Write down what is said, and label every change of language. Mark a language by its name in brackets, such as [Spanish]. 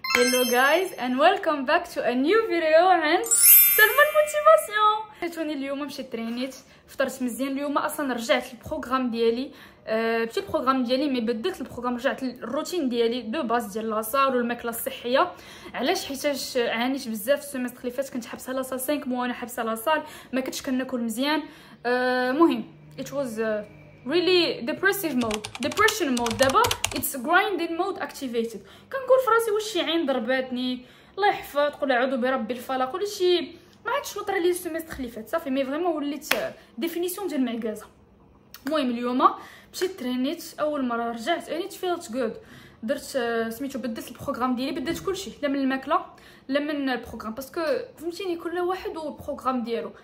[English] Hello guys and welcome back to a new video [Arabic] عن سلمى الموتيفاسيون. مشيتوني اليوم مشيت ترينيت فطرت مزيان اليوم اصلا رجعت البروغرام ديالي مشيت البروغرام ديالي مي بدلت البروغرام رجعت الروتين ديالي دو باس ديال لاصال والماكله الصحيه. علاش؟ حيتاش عانيت بزاف السيمستر اللي فات، كنت حبسه لاصال 5 موا وانا حبسه لاصال، ما كنتش كناكل مزيان. [English] مهم it was really depressive mode, depression mode. دابا it's grinding mode activated. [Arabic] كنقول فراسي واش شي عين ضرباتني، الله يحفظ، قول اعوذ بربي الفلق، ولا شي ما عادش وطرى لي السيمستر اللي فات. صافي مي فريمون وليت ديفينيسيون ديال المعكازه. المهم اليوم مشيت ترينيت اول مره رجعت [English] انيت felt good, [Arabic] درت سميتو بدلت البروغرام ديالي، بدلت كلشي لا من الماكله لا من البروغرام، باسكو فهمتيني كل واحد والبروغرام ديالو.